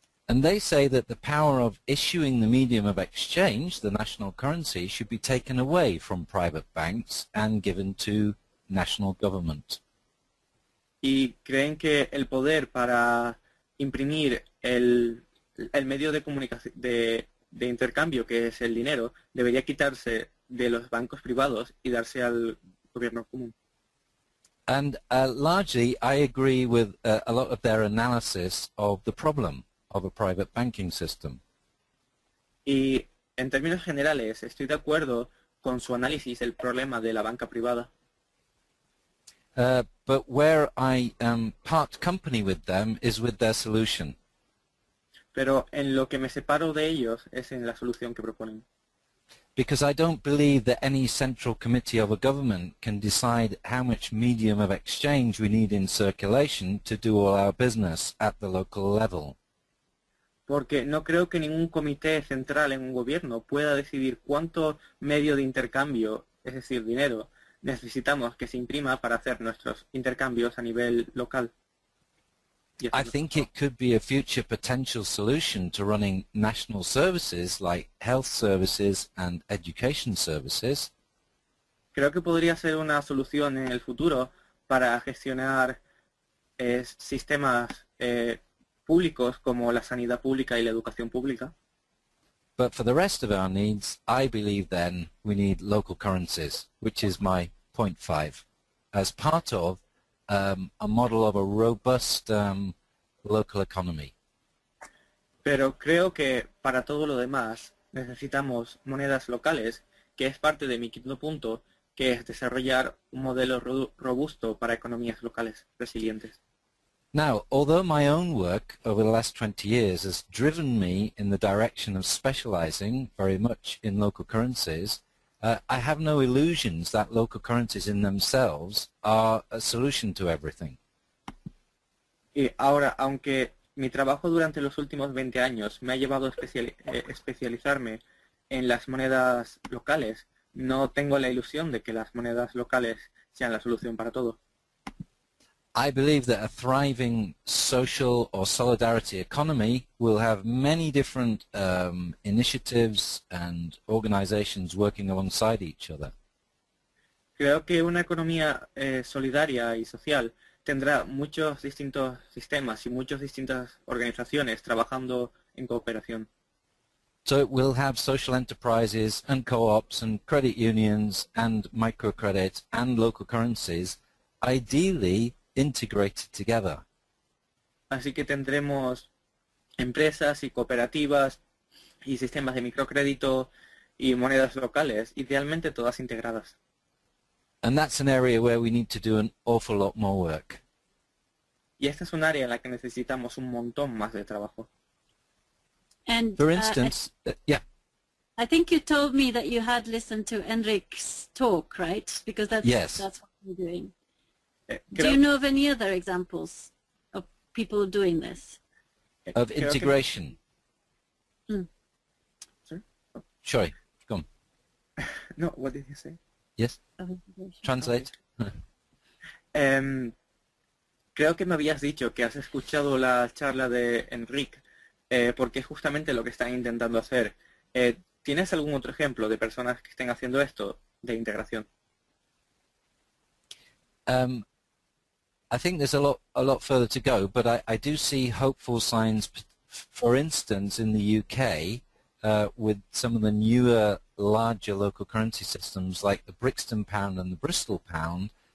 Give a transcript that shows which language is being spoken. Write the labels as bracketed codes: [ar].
[en] And they say that the power of issuing the medium of exchange, the national currency, should be taken away from private banks and given to national government. [es] Y creen que el poder para imprimir el medio de comunicación de intercambio, que es el dinero, debería quitarse de los bancos privados y darse al gobierno común. [en] And largely, I agree with a lot of their analysis of the problem of a private banking system. [es] Y en términos generales, estoy de acuerdo con su análisis del problema de la banca privada. [en] But where I am part company with them is with their solution. [es] Pero en lo que me separo de ellos es en la solución que proponen. [en] Because I don't believe that any central committee of a government can decide how much medium of exchange we need in circulation to do all our business at the local level. [es] Porque no creo que ningún comité central en un gobierno pueda decidir cuánto medio de intercambio, es decir, dinero, necesitamos que se imprima para hacer nuestros intercambios a nivel local. [en] I think it could be a future potential solution to running national services like health services and education services. [es] Creo que podría ser una solución en el futuro para gestionar sistemas públicos como la sanidad pública y la educación pública. [en] But for the rest of our needs, I believe then we need local currencies, which is my point five, as part of a model of a robust local economy. [es] Pero creo que para todo lo demás necesitamos monedas locales, que es parte de mi quinto punto, que es desarrollar un modelo robusto para economías locales resilientes. [en] Now, although my own work over the last 20 years has driven me in the direction of specializing very much in local currencies, I have no illusions that local currencies in themselves are a solution to everything. [es] Y ahora, aunque mi trabajo durante los últimos 20 años me ha llevado a especializarme en las monedas locales, no tengo la ilusión de que las monedas locales sean la solución para todo. [en] I believe that a thriving social or solidarity economy will have many different initiatives and organizations working alongside each other. [es] Creo que una economía solidaria y social tendrá muchos distintos sistemas y muchas distintas organizaciones trabajando en cooperación. [en] So it will have social enterprises and co-ops and credit unions and microcredit and local currencies, ideally integrated together. [es] Así que tendremos empresas y cooperativas y sistemas de microcrédito y monedas locales, idealmente todas integradas. [en] And that's an area where we need to do an awful lot more work. [es] Y esta es un área en la que necesitamos un montón más de trabajo. [en] And, for instance, I think you told me that you had listened to Enric's talk, right? Because that's what we're doing. Do you know of any other examples of people doing this? Of integration. Sorry, go on. No, what did you say? Yes. Translate. [es] Creo que me habías dicho que has escuchado la charla de Enric, porque es justamente lo que están intentando hacer. ¿Tienes algún otro ejemplo de personas que estén haciendo esto de integración? [en] I think there's a lot further to go, but I do see hopeful signs, for instance, in the UK with some of the newer, larger local currency systems like the Brixton Pound and the Bristol Pound.